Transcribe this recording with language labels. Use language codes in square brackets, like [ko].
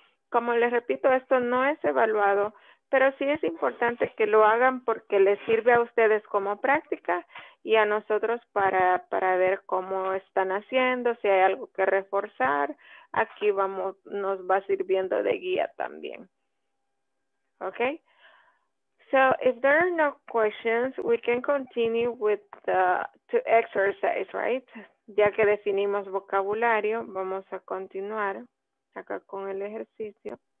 [es] Como les repito, esto no es evaluado, pero sí es importante que lo hagan porque les sirve a ustedes como práctica y a nosotros para ver cómo están haciendo, si hay algo que reforzar. Aquí vamos, nos va sirviendo de guía también. Ok. [en] So if there are no questions, we can continue with the to exercise, right? [es] Ya que definimos vocabulario, vamos a continuar acá con el ejercicio.